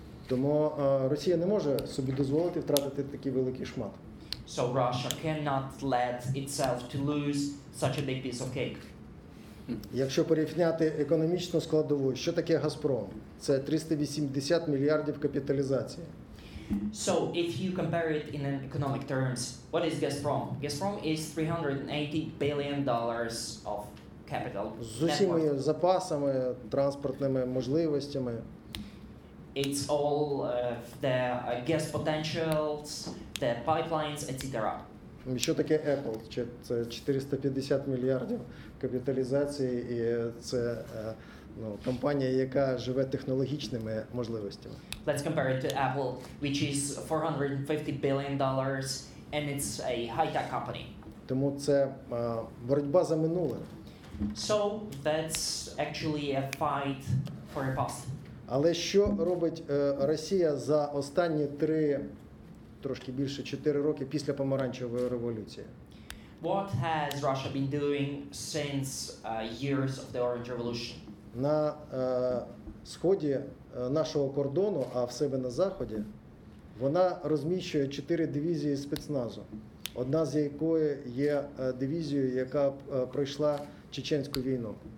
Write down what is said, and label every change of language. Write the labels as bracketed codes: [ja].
[uk] Тому Росія не може собі дозволити втратити такий великий шмат. [en] So Russia cannot let itself to lose such a big piece of cake. [uk] Якщо порівняти економічну складову, що таке Газпром? Це 380 мільярдів капіталізації. [en] So if you compare it in an economic terms, what is Gazprom? Gazprom is $380 billion of capital. [uk] З усіма запасами, транспортними можливостями. [en] It's all the gas potentials, the pipelines, etc. [uk] Що таке Apple? Це 450 мільярдів капіталізації, і це компанія, яка живе технологічними можливостями. [en] Let's compare it to Apple, which is $450 billion, and it's a high-tech company. [uk] Тому це боротьба за минуле. [en] So that's actually a fight for the past. [uk] Але що робить Росія за останні три, трошки більше, чотири роки після помаранчевої революції? [en] What has Russia been doing since years of the Orange Revolution? [uk] На сході нашого кордону, а в себе на заході, вона розміщує чотири дивізії спецназу. Одна з якої є дивізією, яка пройшла чеченську війну.